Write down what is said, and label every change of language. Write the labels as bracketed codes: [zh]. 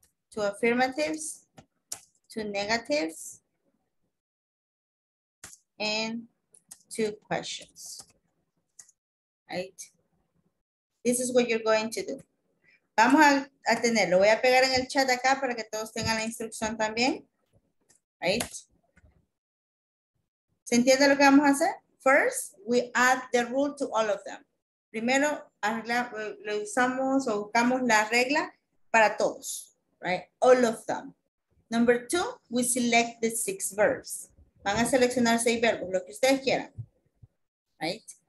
[en] to affirmatives, to negatives, and to questions, right? This is what you're going to do. [es] Vamos a tenerlo. Voy a pegar en el chat acá para que todos tengan la instrucción también, right? ¿Se entiende lo que vamos a hacer? [en] First, we add the rule to all of them. [es] Primero, lo usamos o buscamos la regla para todos, right? [en] All of them. Number two, we select the six verbs. [es] Van a seleccionar seis verbos, lo que ustedes quieran, right?